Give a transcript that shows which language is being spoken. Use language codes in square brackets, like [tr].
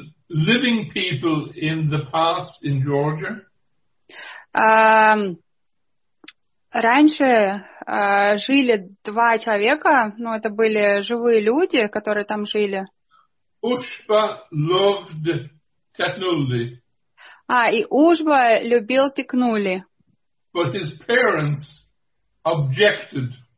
[en] Living people in the past in Georgia. [ru] Раньше жили два человека, но это были живые люди, которые там жили. [en] Ushba loved Teknuli. [ru] И Ushba любил Teknuli. [en] But his parents objected.